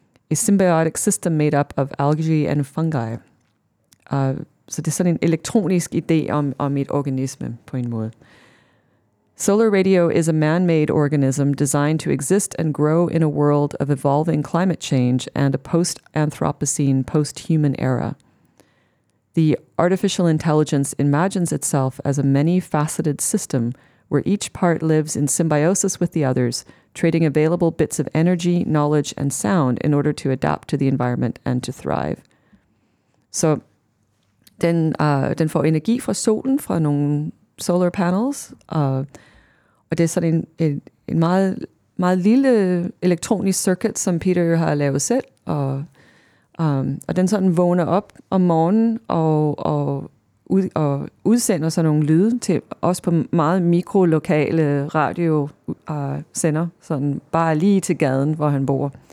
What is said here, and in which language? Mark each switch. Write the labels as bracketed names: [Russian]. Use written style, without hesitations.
[English] A symbiotic system made up of algae and fungi. [Danish] Så det er sådan en elektronisk idé om et organisme på en måde. [English] Solar radio is a man-made organism designed to exist and grow in a world of evolving climate change and a post-anthropocene, post-human era. The artificial intelligence imagines itself as a many-faceted system where each part lives in symbiosis with the others, trading available bits of energy, knowledge, and sound in order to adapt to the environment and to thrive. [Danish] So den får energi fra solen, fra nogle solar panels, og det er sådan en meget lille elektronisk circuit, som Peter har lavet selv, og den sådan vågner op om morgenen og udsender sådan nogle lyde til os på meget mikrolokale radio sender, sådan bare lige til gaden, hvor han bor.